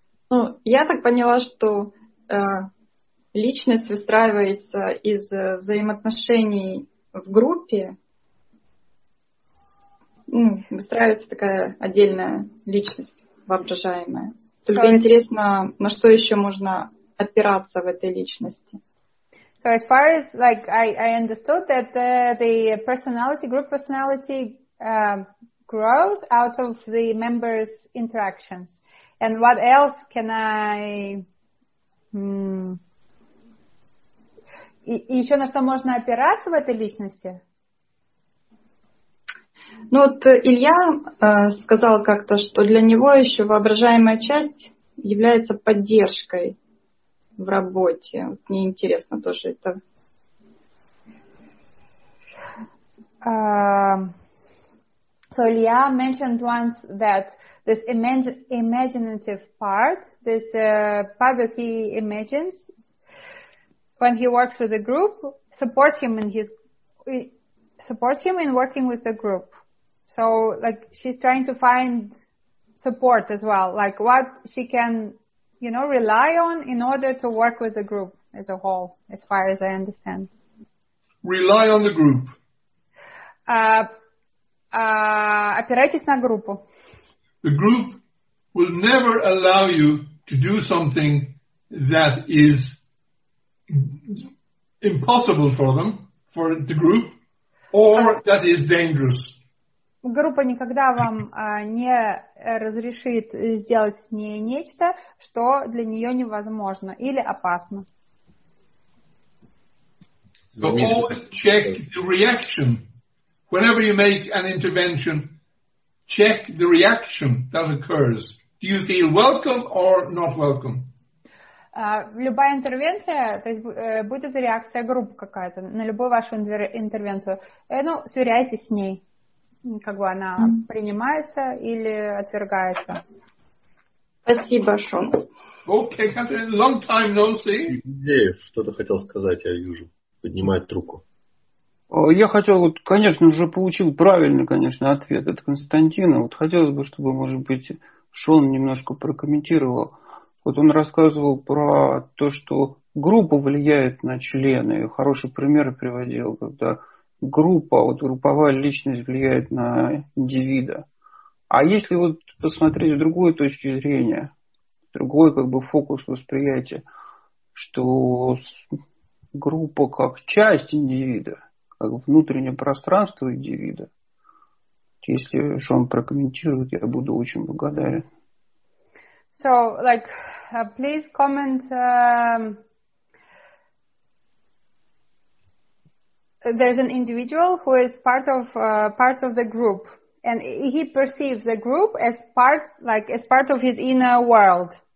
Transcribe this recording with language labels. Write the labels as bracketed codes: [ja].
[ru] Ну, я так поняла, что личность выстраивается из взаимоотношений в группе. Выстраивается такая отдельная личность, воображаемая. Только интересно, на что еще можно опираться в этой личности? [en] So as far as like I understood that the personality, group personality grows out of the members' interactions. And what else can I... [ru] И еще на что можно опираться в этой личности? Ну вот Илья сказал как-то, что для него еще воображаемая часть является поддержкой в работе. Вот мне интересно тоже это. [en] So Илья mentioned once that this imaginative part, this part that he imagines when he works with the group, supports him in working with the group. So, like, she's trying to find support as well, like what she can, you know, rely on in order to work with the group as a whole, as far as I understand. Rely on the group. [ru] Опирайтесь на группу. [en] The group will never allow you to do something that is impossible for them, for the group, or that is dangerous. [ru] Группа никогда вам не разрешит сделать с ней нечто, что для нее невозможно или опасно. [en] So always check the reaction. Whenever you make an intervention, check the reaction that occurs. Do you feel welcome or not welcome? [ru] Любая интервенция, то есть будет реакция группы какая-то на любую вашу интервенцию. Ну, сверяйтесь с ней. Как бы она принимается или отвергается. Спасибо, Шон. [en] Okay, Catherine, long time no see. [ru] Что-то хотел сказать, я вижу. Поднимает руку. Я хотел, вот, конечно, уже получил правильный, конечно, ответ от Константина. Вот хотелось бы, чтобы, может быть, Шон немножко прокомментировал. Вот он рассказывал про то, что группа влияет на члены. И хороший пример приводил, когда группа, вот групповая личность влияет на индивида. А если вот посмотреть с другой точки зрения, другой как бы фокус восприятия, что группа как часть индивида, как внутреннее пространство индивида. Если Шон прокомментирует, я буду очень благодарен. [en] So, like, please comment. There's an individual who is part of the group, and he perceives the group as part, like, as part of his inner world.